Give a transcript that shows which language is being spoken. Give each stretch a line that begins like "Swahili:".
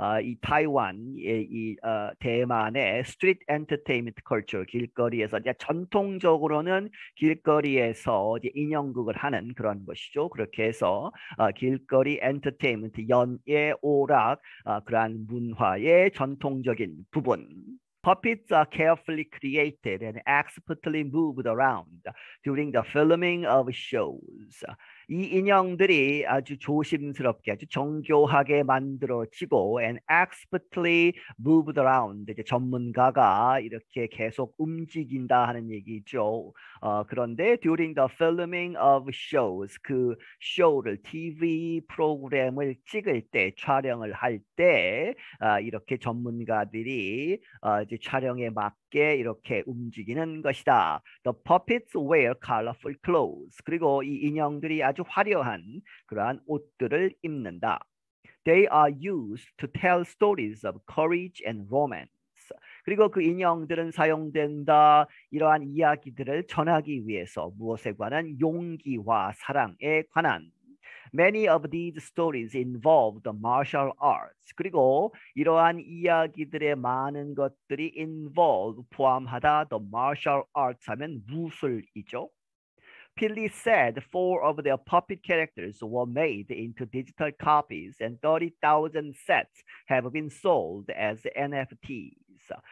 Korean: 이 타이완의 이 대만의
English: street entertainment culture,
Korean: 길거리에서 이제 전통적으로는 길거리에서 이제 인형극을 하는 그런 것이죠. 그렇게 해서 길거리 엔터테인먼트, 연예 오락, 그러한 문화의 전통적인 부분.
English: Puppets are carefully created and expertly moved around during the filming of shows.
Korean: 이 인형들이 아주 조심스럽게, 아주 정교하게 만들어지고
English: and expertly moved around.
Korean: 이제 전문가가 이렇게 계속 움직인다 하는 얘기죠. 그런데
English: during the filming of shows,
Korean: 그 쇼를 TV 프로그램을 찍을 때, 촬영을 할 때, 이렇게 전문가들이 이제 촬영에 막 이렇게 움직이는 것이다.
English: The puppets wear colorful clothes.
Korean: 그리고 이 인형들이 아주 화려한 그러한 옷들을 입는다.
English: They are used to tell stories of courage and romance.
Korean: 그리고 그 인형들은 사용된다. 이러한 이야기들을 전하기 위해서 무엇에 관한 용기와 사랑에 관한.
English: Many of these stories involve the martial arts.
Korean: 그리고 이러한 이야기들의 많은 것들이 involve, 포함하다, the martial arts 하면 무술이죠.
English: Pili said four of their puppet characters were made into digital copies and 30,000 sets have been sold as NFTs.